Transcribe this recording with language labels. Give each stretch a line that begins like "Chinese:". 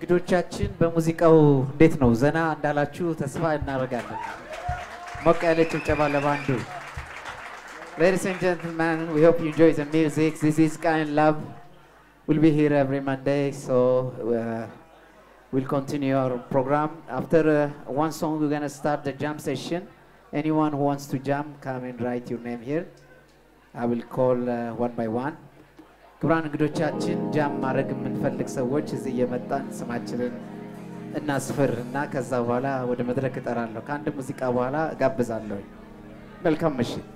Amharic: ቻችን በሙዚቃው እንዴት ነው ዘና እንዳላችሁ ተስፋ እናረጋለን ሞቀ ያለ ጭብጨባ ለባንዱ
English: Ladies and gentlemen, we hope you enjoy the music. This is Kayn Love. We'll be here every Monday, so we'll continue our program. After one song, we're going to start the jam session. Anyone who wants to jam, come and write your name here. I will call one by one.
Amharic: ክብራን እንግዶቻችን ጃም ማረግ የምንፈልግ ሰዎች እዚህ የመጣን ስማችንን እናስፈር እና ከዛ በኋላ ወደ መድረክ እጠራለሁ ከአንድ ሙዚቃ በኋላ ጋብዛለሁ መልካም ምሽ